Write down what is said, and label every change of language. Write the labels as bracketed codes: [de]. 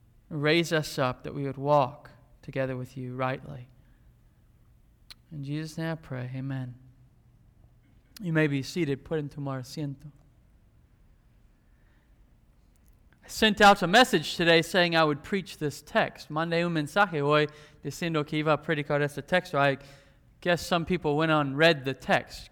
[en] Raise us up that we would walk together with you rightly. In Jesus' name I pray, amen. You may be seated, put into [es] mi asiento. [en] I sent out a message today saying I would preach this text. [es] Mandé un mensaje hoy diciendo que iba a predicar este texto. [en] I guess some people went on and read the text.